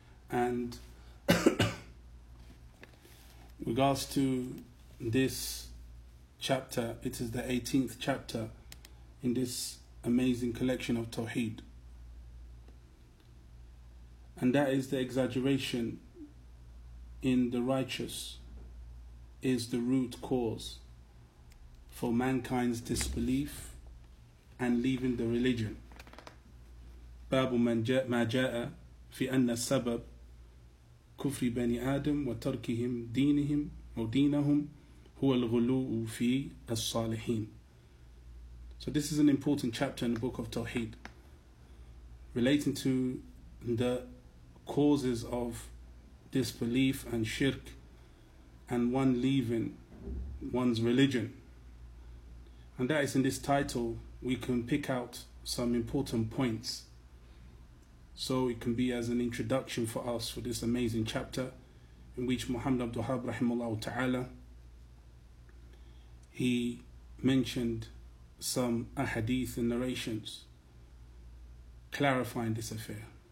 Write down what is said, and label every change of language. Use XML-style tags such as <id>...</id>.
<en>And regards to this chapter, it is the 18th chapter in this amazing collection of Tawheed. And that is the exaggeration in the righteous is the root cause for mankind's disbelief and leaving the religion.</en> <ar>باب ما جاء في أن السبب كفر بني آدم وتركهم دينهم ودينهم هو الغلو في الصالحين.</ar> <en>So this is an important chapter in the book of Tawheed relating to the causes of disbelief and shirk and one leaving one's religion. And that is, in this title we can pick out some important points so it can be as an introduction for us for this amazing chapter in which Muhammad Abdul Wahhab rahimahullah ta'ala, he mentioned some ahadith and narrations clarifying this affair.</en>